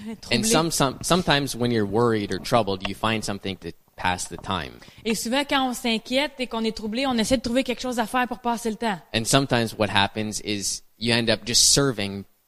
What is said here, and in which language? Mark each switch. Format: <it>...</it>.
<en>And sometimes when you're worried or troubled, you find something to pass the time.</en> <fr>Et souvent quand on s'inquiète et qu'on est troublé, on essaie de trouver quelque chose à faire pour passer le temps.</fr> <en>And sometimes what happens is you end up just serving.</en>